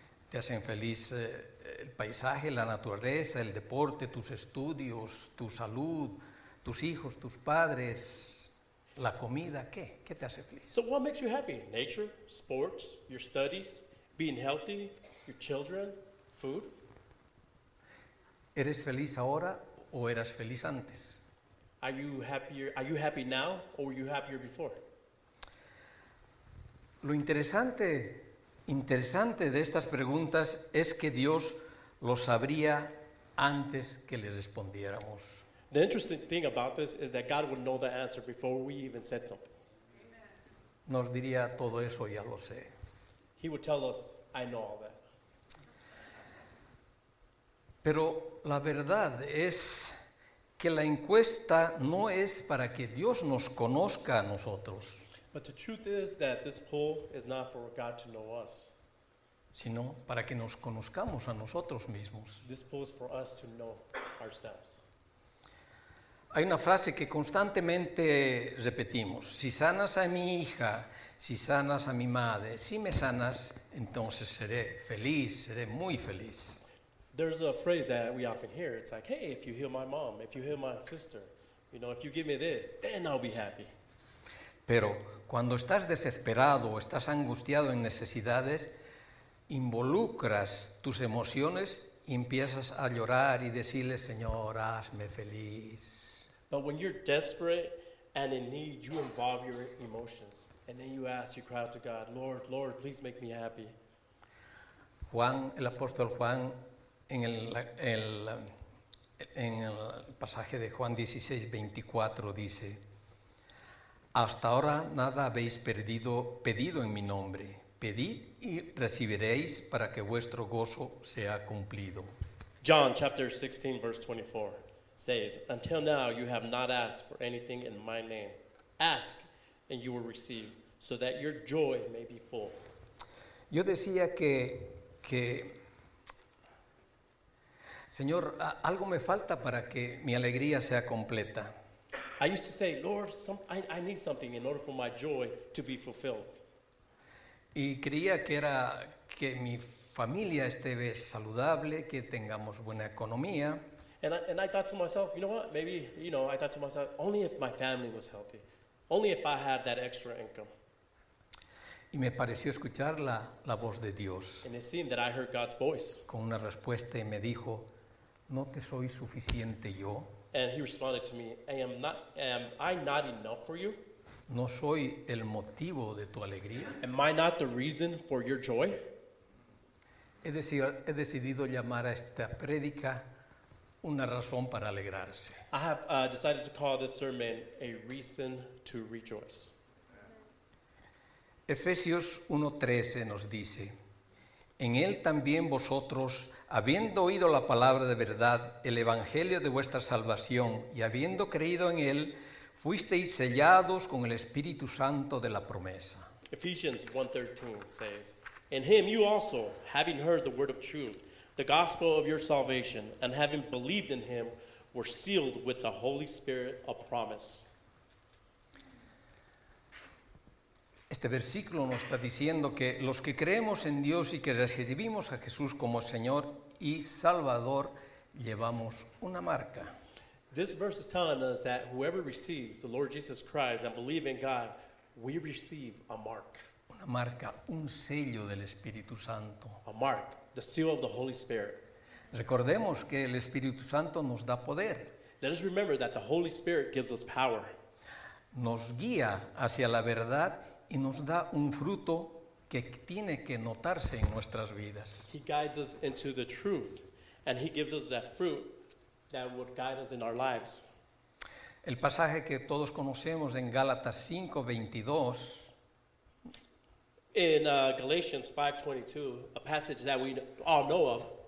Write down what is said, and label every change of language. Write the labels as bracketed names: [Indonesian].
[Spanish] ¿Te hacen feliz el paisaje, la naturaleza, el deporte, tus estudios, tu salud, tus hijos, tus padres, la comida? ¿Qué? ¿Qué te hace feliz? [English] So what makes you happy? Nature, sports, your studies, being healthy, your children, food? [Spanish] ¿Eres feliz ahora? ¿O eras feliz antes? [English] Are you happy now or were you happier before? [Spanish] Lo interesante de estas preguntas es que Dios lo sabría antes que le respondiéramos. [English] The interesting thing about this is that God would know the answer before we even said something. [Spanish] Nos diría todo eso, ya lo sé. [English] He would tell us, I know all that. [Spanish] Pero la verdad es que la encuesta no es para que Dios nos conozca a nosotros. [English] But the truth is that this poll is not for God to know us. [Spanish] Sino para que nos conozcamos a nosotros mismos. [English] This poll is for us to know ourselves. [Spanish] Hay una frase que constantemente repetimos. Si sanas a mi hija, si sanas a mi madre, si me sanas, entonces seré feliz, seré muy feliz. [English] There's a phrase that we often hear. It's like, hey, if you heal my mom, if you heal my sister, you know, if you give me this, then I'll be happy. [Spanish] Pero cuando estás desesperado o estás angustiado en necesidades, involucras tus emociones y empiezas a llorar y decirle, Señor, hazme feliz. [English] But when you're desperate and in need, you involve your emotions. And then you ask, you cry out to God, Lord, Lord, please make me happy. [Spanish] Juan, el apóstol Juan, en el pasaje de Juan 16:24 dice, Hasta ahora nada habéis pedido en mi nombre. Pedid y recibiréis para que vuestro gozo sea cumplido. [English] John chapter 16 verse 24 says, until now you have not asked for anything in my name. Ask and you will receive, so that your joy may be full. [Spanish] Yo decía que Señor, algo me falta para que mi alegría sea completa. [English] I used to say, Lord, I need something in order for my joy to be fulfilled. [Spanish] Y creía que era que mi familia esté saludable, que tengamos buena economía. [English] And I thought to myself, you know what? Maybe, you know, I thought to myself, only if my family was healthy. Only if I had that extra income. [Spanish] Y me pareció escuchar la voz de Dios. [English] And it seemed that I heard God's voice. [Spanish] Con una respuesta y me dijo, no te soy suficiente yo. [English] And he responded to me, am I not enough for you? [Spanish] No soy el motivo de tu alegría. [English] Am I not the reason for your joy? [Spanish] He decidido llamar a esta prédica una razón para alegrarse. [English] I have decided to call this sermon a reason to rejoice. [Spanish] Efesios 1:13 nos dice, en él también vosotros, habiendo oído la palabra de verdad, el evangelio de vuestra salvación, y habiendo creído en él, fuisteis sellados con el Espíritu Santo de la promesa. [English] Ephesians 1:13 says, in him you also, having heard the word of truth, the gospel of your salvation, and having believed in him, were sealed with the Holy Spirit of promise. [Spanish] Este versículo nos está diciendo que los que creemos en Dios y que recibimos a Jesús como Señor y Salvador, llevamos una marca. [English] This verse is telling us that whoever receives the Lord Jesus Christ and believe in God, we receive a mark. [Spanish] Una marca, un sello del Espíritu Santo. [English] A mark, the seal of the Holy Spirit. [Spanish] Recordemos que el Espíritu Santo nos da poder. [English] Let us remember that the Holy Spirit gives us power. [Spanish] Nos guía hacia la verdad y nos da un fruto que tiene que notarse en nuestras vidas. [English] He guides us into the truth, and he gives us that fruit that would guide us in our lives. [Spanish] El pasaje que todos conocemos en Gálatas 5:22. [English] In Galatians 5:22, a passage that we all know of.